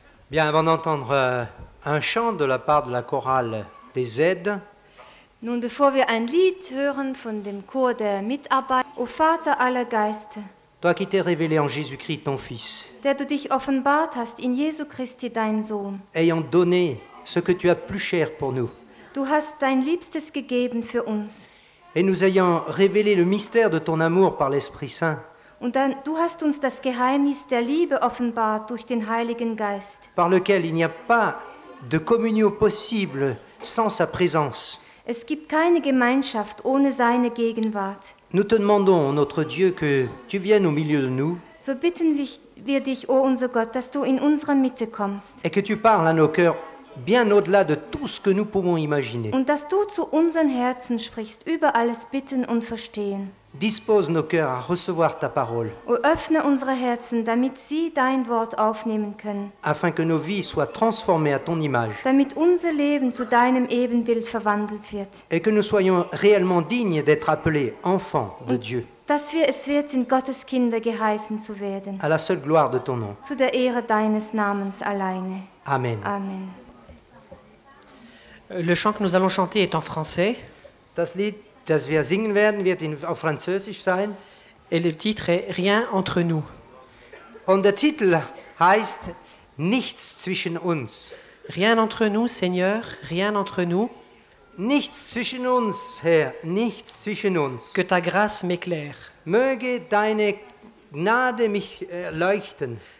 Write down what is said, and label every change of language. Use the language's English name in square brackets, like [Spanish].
[French] Bien, avant d'entendre un chant de la part de la chorale des aides. [German] Nun, bevor wir ein Lied hören von dem Chor der Mitarbeiter, O Vater aller Geister, [French] toi qui t'es révélé en Jésus-Christ, ton Fils, [German] der du dich offenbart hast in Jesu Christi, dein Sohn, [French] ayant donné ce que tu as de plus cher pour nous, [German] du hast dein Liebstes gegeben für uns, [French] et nous ayant révélé le mystère de ton amour par l'Esprit Saint, [German] und dann, du hast uns das Geheimnis der Liebe offenbart durch den Heiligen Geist, [French] par lequel il n'y a pas de communion possible sans sa présence. [German] Es gibt keine Gemeinschaft ohne seine Gegenwart. [French] Nous te demandons, notre Dieu, que tu viennes au milieu de nous. [German] So bitten wir dich, ô unser Gott, dass du in unsere Mitte kommst. [French] Et que tu parles à nos cœurs bien au-delà de tout ce que nous pouvons imaginer. [German] Und dass du zu unseren Herzen sprichst, über alles bitten und verstehen. [French] Dispose nos cœurs à recevoir ta parole. [German] O öffne unsere Herzen, damit sie dein Wort aufnehmen können. [French] Afin que nos vies soient transformées à ton image. [German] Damit unser Leben zu deinem Ebenbild verwandelt wird. [French] Et que nous soyons réellement dignes d'être appelés enfants de Dieu. [German] Dass wir es wert sind, Gottes Kinder geheißen zu werden. [French] À la seule gloire de ton nom. [German] Zu der Ehre deines Namens alleine. Amen. Amen. [French] Le chant que nous allons chanter est en français. [German] Das Lied, das wir singen werden, wird in auf Französisch sein. [French] Et le titre est Rien entre nous. [German] Und der Titel heißt Nichts zwischen uns. [French] Rien entre nous, Seigneur, rien entre nous. [German] Nichts zwischen uns, Herr, nichts zwischen uns. [French] Que ta grâce m'éclaire. [German] Möge deine Gnade mich leuchten.